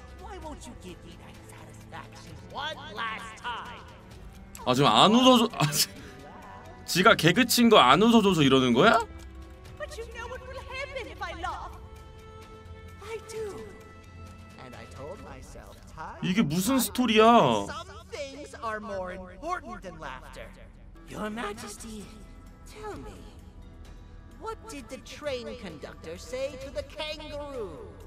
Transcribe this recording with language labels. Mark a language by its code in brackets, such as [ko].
[en] Why won't you give me that satisfaction one last time? [ko] 아 지금 안 웃어줘. 아, 지가 개그 친 거 안 웃어줘서 이러는 거야? [en] But you know what will happen if I laugh. I do. And I told myself time. [ko] 이게 무슨 스토리야? [en] Some things are more important than laughter. Your Majesty, tell me. What did the train conductor say to the kangaroo?